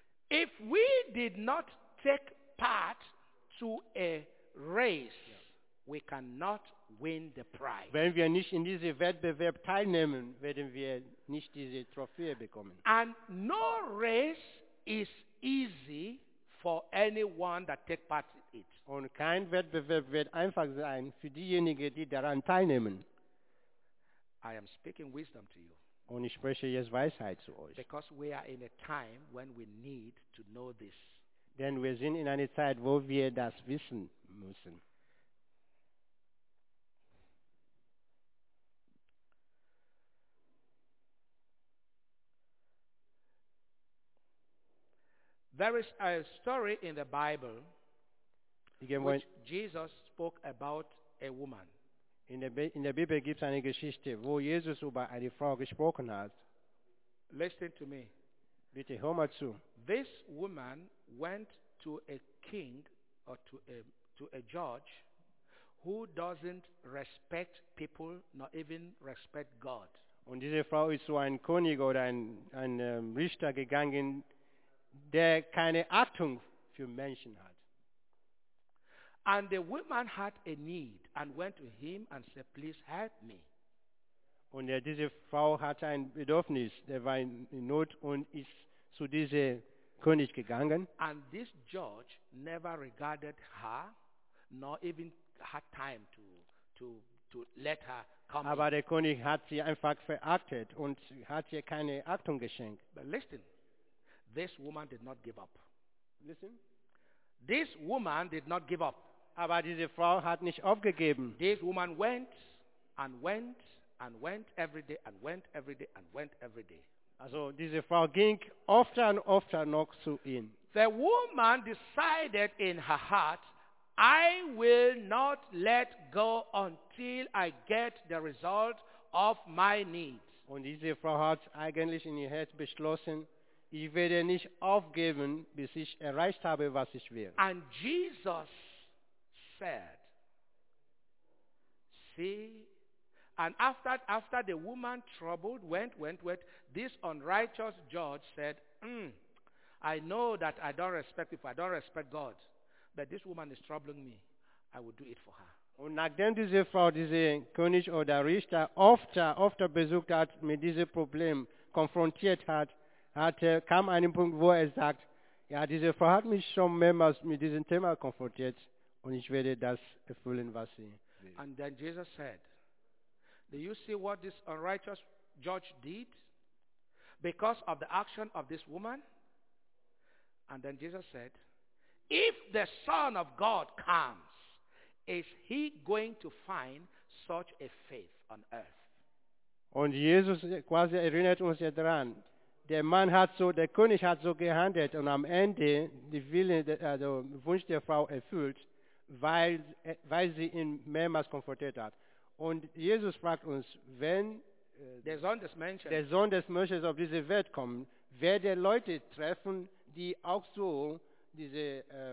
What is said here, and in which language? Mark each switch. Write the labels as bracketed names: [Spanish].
[English] If we did not take part to a race, yeah, we cannot win the prize. [German] Wenn wir nicht in diese Wettbewerb teilnehmen, werden wir nicht diese Trophäe bekommen. [English] And no race is easy for anyone that take part in it. [German] Und kein Wettbewerb wird einfach sein für diejenigen, die daran teilnehmen. [English] I am speaking wisdom to you. [German] Und ich spreche jetzt Weisheit zu euch. [English] Because we are in a time when we need to know this. [German] Denn wir sind in einer Zeit, wo wir das wissen müssen. [English] There is a story in the Bible which Jesus spoke about a woman. [German] In der Bibel gibt es eine Geschichte, wo Jesus über eine Frau gesprochen hat. [English] Listen to me. [German] Bitte hör mal zu. [English] This woman went to a king or to a judge who doesn't respect people, not even respect God. [German] Und diese Frau ist zu einem König oder ein Richter gegangen, der keine Achtung für Menschen hat. [English] And the woman had a need and went to him and said, please help me. [German] Und diese Frau hatte ein Bedürfnis, der war in Not und ist zu diesem König gegangen. [English] And this judge never regarded her, nor even had time to let her come. [German] Aber der König hat sie einfach verachtet und hat ihr keine Achtung geschenkt. [English] But listen. This woman did not give up. Listen. This woman did not give up. [German] Aber diese Frau hat nicht aufgegeben. [English] This woman went and went and went every day and went every day and went every day. [German] Also diese Frau ging öfter und öfter noch zu ihm. [English] The woman decided in her heart, I will not let go until I get the result of my needs. [German] Und diese Frau hat eigentlich in ihr Herz beschlossen, ich werde nicht aufgeben, bis ich erreicht habe, was ich will. [English] And Jesus said, see, and after the woman troubled, went, this unrighteous judge said, I know that I don't respect people, I don't respect God, but this woman is troubling me, I will do it for her. [German] Und nachdem diese Frau, diese König oder Richter, öfter besucht hat, mit diesem Problem konfrontiert hat, kam einen Punkt, wo er sagt, ja, diese Frau hat mich schon mehrmals mit diesem Thema konfrontiert und ich werde das erfüllen, was sie will. [English] And then Jesus said, do you see what this unrighteous judge did because of the action of this woman? And then Jesus said, if the Son of God comes, is he going to find such a faith on earth? [German] Und Jesus quasi erinnert uns ja daran, der König hat so gehandelt und am Ende den Wunsch der Frau erfüllt, weil sie ihn mehrmals konfrontiert hat. Und Jesus fragt uns, wenn der Sohn des Menschen auf diese Welt kommt, werde Leute treffen, die auch so diese